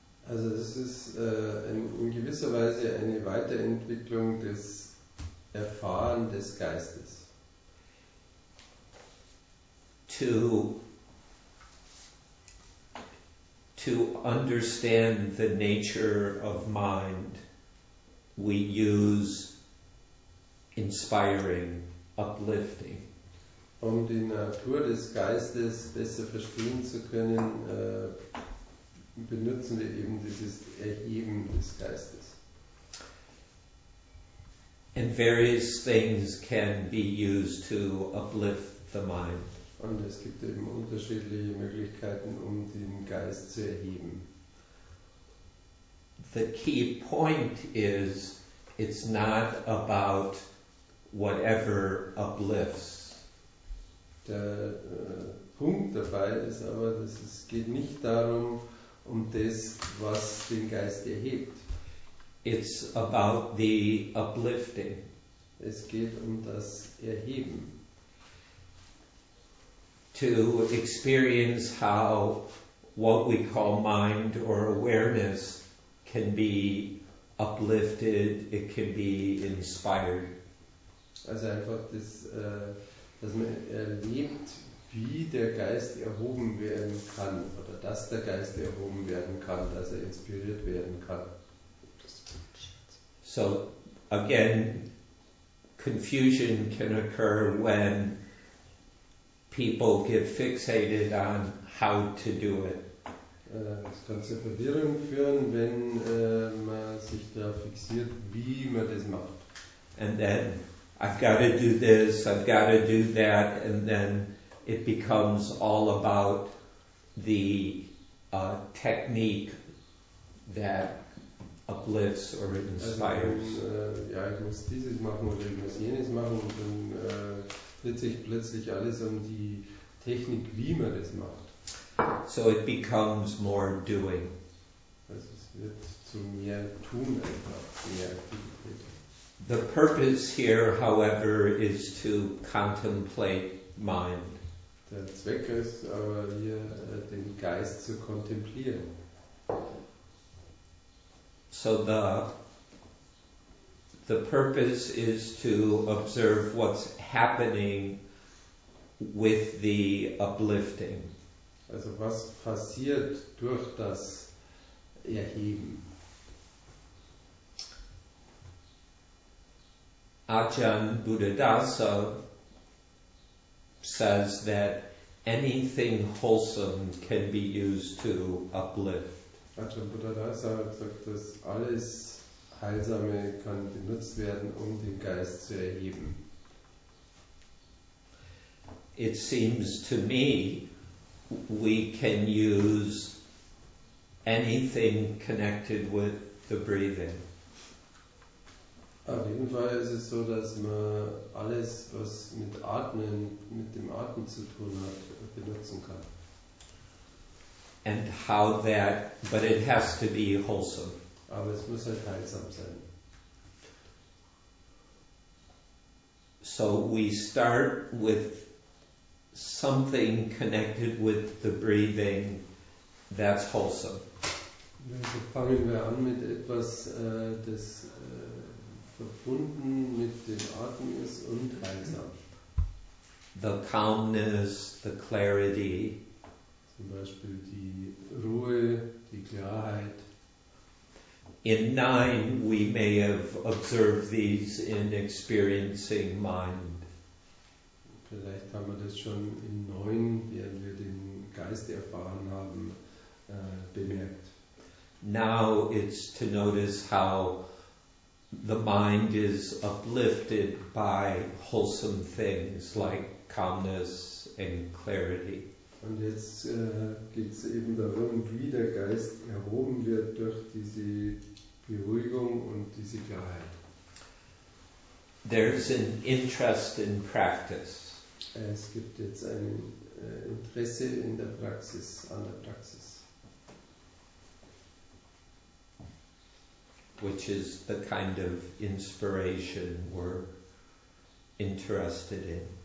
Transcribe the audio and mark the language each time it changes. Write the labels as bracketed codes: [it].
[de] Also es ist in gewisser Weise eine Weiterentwicklung des Erfahren des Geistes. [en] To understand the nature of mind, we use inspiring, uplifting. [de] Um die Natur des Geistes besser verstehen zu können, benutzen wir eben dieses Erheben des Geistes. [en] And various things can be used to uplift the mind. [de] Und es gibt eben unterschiedliche Möglichkeiten, um den Geist zu erheben. [en] The key point is, it's not about whatever uplifts. [de] Der Punkt dabei ist aber, dass es geht nicht darum, um das, was den Geist erhebt. [en] It's about the uplifting. [de] Es geht um das Erheben. [en] To experience how what we call mind or awareness can be uplifted, it can be inspired. [de] Also einfach das, dass man erlebt, wie der Geist erhoben werden kann, oder dass der Geist erhoben werden kann, dass er inspiriert werden kann. [en] So, again, confusion can occur when people get fixated on how to do it. [de] Es kann zur Verwirrung führen, wenn man sich da fixiert, wie man das macht. [en] And then, I've got to do this, I've got to do that, and then it becomes all about the technique that uplifts or inspires. [de] Ich muss dieses machen oder ich muss jenes machen, und dann dreht sich plötzlich alles um die Technik, wie man das macht. [en] So it becomes more doing. [de] Also es wird zu mehr tun einfach, mehr Aktivität. [en] The purpose here, however, is to contemplate mind. [de] Der Zweck ist aber hier, den Geist zu kontemplieren. [en] So the purpose is to observe what's happening with the uplifting. [de] Also was passiert durch das Erheben? [en] Ajahn Buddhadasa says that anything wholesome can be used to uplift. [de] Ajahn Buddhadasa sagt, dass alles Heilsame kann benutzt werden, um den Geist zu erheben. [en] It seems to me we can use anything connected with the breathing. [de] Auf jeden Fall ist es so, dass man alles, was mit Atmen, mit dem Atmen zu tun hat, benutzen kann. [en] And how that, but it has to be wholesome. [de] Aber es muss halt heilsam sein. [en] So we start with something connected with the breathing that's wholesome. [de] Also fangen wir an mit etwas, das verbunden mit dem Atem ist und heilsam. [en] The calmness, the clarity. [de] Zum Beispiel die Ruhe, die Klarheit. [en] In 9 we may have observed these in experiencing mind. [de] Vielleicht haben wir das schon in 9, während wir den Geist erfahren haben, bemerkt. [en] Now it's to notice how the mind is uplifted by wholesome things like calmness and clarity. [de] Und jetzt geht's eben darum, wie der Geist erhoben wird durch diese Beruhigung und diese Klarheit. [en] There's an interest in practice. [de] Es gibt jetzt ein Interesse in der Praxis, an der Praxis. [en] Which is the kind of inspiration we're interested in.